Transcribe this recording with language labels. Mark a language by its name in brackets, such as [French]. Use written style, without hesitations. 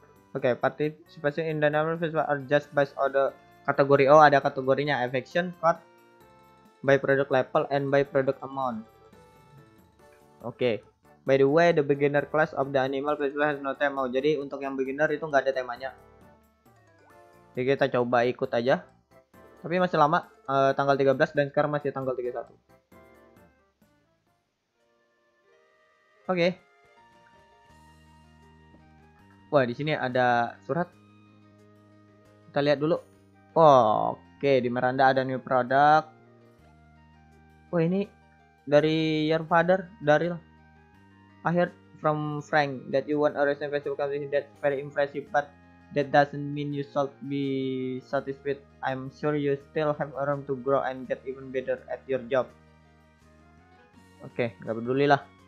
[English] Okay, participation in the animal festival are just based on the category. Oh, [Indonesian] ada kategorinya. [English] Affection, part. By product level and by product amount. Okay. By the way, the beginner class of the animal festival has no theme. [Indonesian] Jadi untuk yang beginner itu nggak ada temanya. Jadi kita coba ikut aja. Tapi masih lama, tanggal 13 dan sekarang masih tanggal 31. [English] Okay. [Indonesian] Wah, di sini ada surat. Kita lihat dulu. Okay, di Miranda ada new product. Wah, ini dari [English] your father, [Indonesian] Daryl. [English] I heard from Frank that you won a recent festival competition. That's very impressive, but that doesn't mean you should be satisfied. I'm sure you still have room to grow and get even better at your job. [Indonesian] Oke, nggak peduli lah.